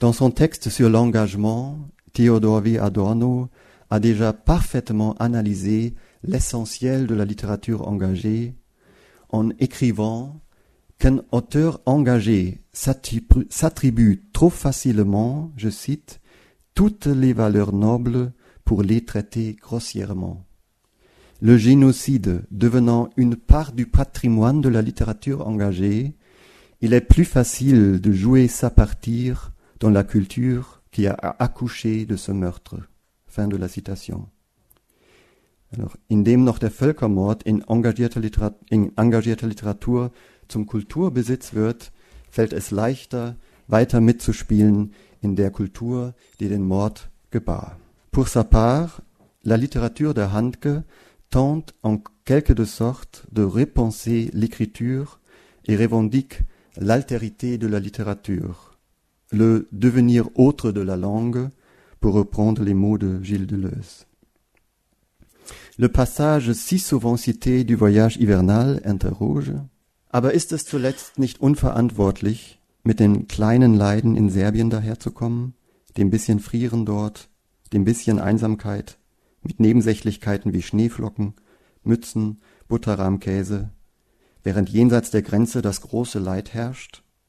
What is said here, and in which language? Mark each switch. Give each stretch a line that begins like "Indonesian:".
French: Dans son texte sur l'engagement, Theodor W. Adorno a déjà parfaitement analysé l'essentiel de la littérature engagée en écrivant qu'un auteur engagé s'attribue trop facilement, je cite, « toutes les valeurs nobles pour les traiter grossièrement ». Le génocide devenant une part du patrimoine de la littérature engagée, il est plus facile de jouer sa partie dans la culture qui a accouché de ce meurtre. Fin de la citation.
German: Alors, indem noch der Völkermord in engagierter Literatur zum Kulturbesitz wird, fällt es leichter, weiter mitzuspielen in der Kultur, die den Mord gebar.
French: Pour sa part, la littérature de Handke tente en quelque de sorte de repenser l'écriture et revendique l'altérité de la littérature, le devenir autre de la langue, pour reprendre les mots de Gilles Deleuze. Le passage si souvent cité du voyage hivernal interroge.
German: Aber ist es zuletzt nicht unverantwortlich, mit den kleinen Leiden in Serbien daherzukommen, dem bisschen Frieren dort, dem bisschen Einsamkeit, mit Nebensächlichkeiten wie Schneeflocken, Mützen, Butterrahmkäse, während jenseits der Grenze das große Leid herrscht?